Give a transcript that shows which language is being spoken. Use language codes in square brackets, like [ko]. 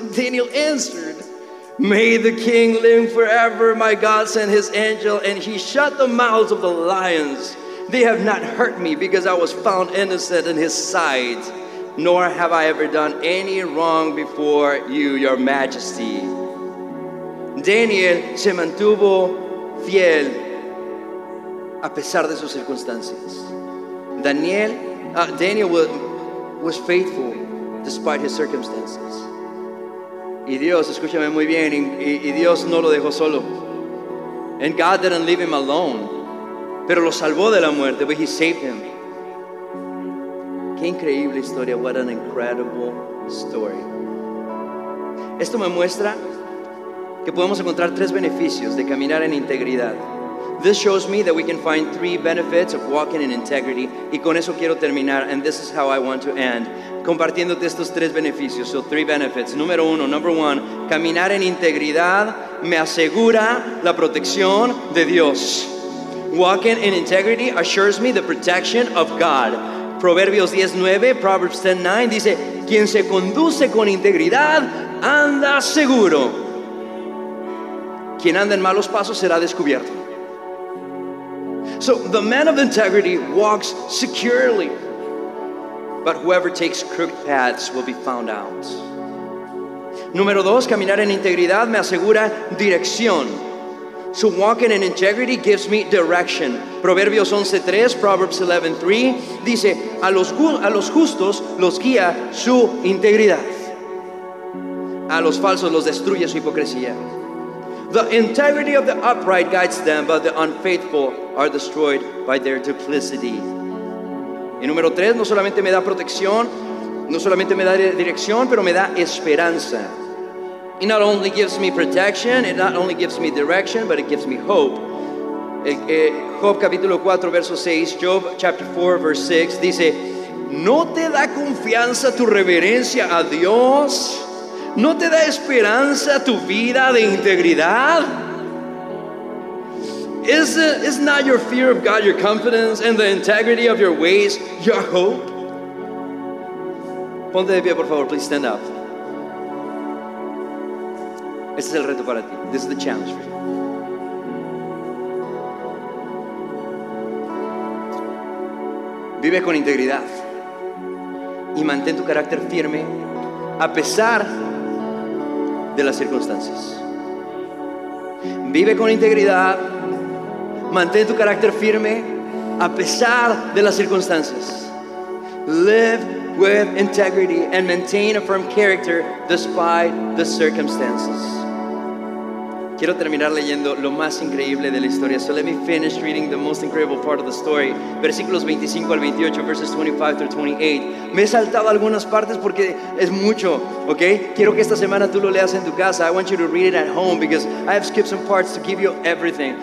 [en] Daniel answered, may the king live forever. My God sent his angel, and he shut the mouths of the lions. They have not hurt me because I was found innocent in his sight. Nor have I ever done any wrong before you, your majesty. [es] Daniel se mantuvo fiel a pesar de sus circunstancias. [en] Daniel was faithful despite his circumstances. [es] Y Dios, escúchame muy bien, y Dios no lo dejó solo. [en] And God didn't leave him alone. [es] Pero lo salvó de la muerte, [en] but he saved him. [es] Qué increíble historia, [en] what an incredible story. [es] Esto me muestra que podemos encontrar tres beneficios de caminar en integridad. [en] This shows me that we can find three benefits of walking in integrity. [es] Y con eso quiero terminar, [en] and this is how I want to end, [es] compartiéndote estos tres beneficios, [en] so three benefits. [es] Número uno, [en] number one, [es] caminar en integridad me asegura la protección de Dios. [en] Walking in integrity assures me the protection of God. [es] Proverbios 10:9, Proverbs 10:9 dice, quien se conduce con integridad anda seguro. Quien anda en malos pasos será descubierto. [en] So the man of integrity walks securely, but whoever takes crooked paths will be found out. [es] Número dos, caminar en integridad me asegura dirección. [en] So walking in integrity gives me direction. [es] Proverbios 11:3, Proverbs 11:3 dice, a los justos los guía su integridad. A los falsos los destruye su hipocresía. [en] The integrity of the upright guides them, but the unfaithful are destroyed by their duplicity. [es] Y número 3, no solamente me da protección, no solamente me da dirección, pero me da esperanza. [en] It not only gives me protection, it not only gives me direction, but it gives me hope. [es] Job capítulo 4, verso 6, [en] Job chapter 4, verse 6, [es] dice, ¿No te da confianza tu reverencia a Dios? ¿No te da esperanza tu vida de integridad? [en] Is not your fear of God your confidence and the integrity of your ways your hope? [es] Ponte de pie, por favor. [en] Please stand up. [es] Este es el reto para ti. [en] This is the challenge for you. [es] Vive con integridad y mantén tu carácter firme a pesar de las circunstancias. Vive con integridad, mantén tu carácter firme a pesar de las circunstancias. [en] Live with integrity and maintain a firm character despite the circumstances. [es] Quiero terminar leyendo lo más increíble de la historia. [en] So let me finish reading the most incredible part of the story. [es] Versículos 25 al 28, [en] verses 25 through 28. [es] Me he saltado algunas partes porque es mucho, okay? Quiero que esta semana tú lo leas en tu casa. [en] I want you to read it at home because I have skipped some parts to give you everything.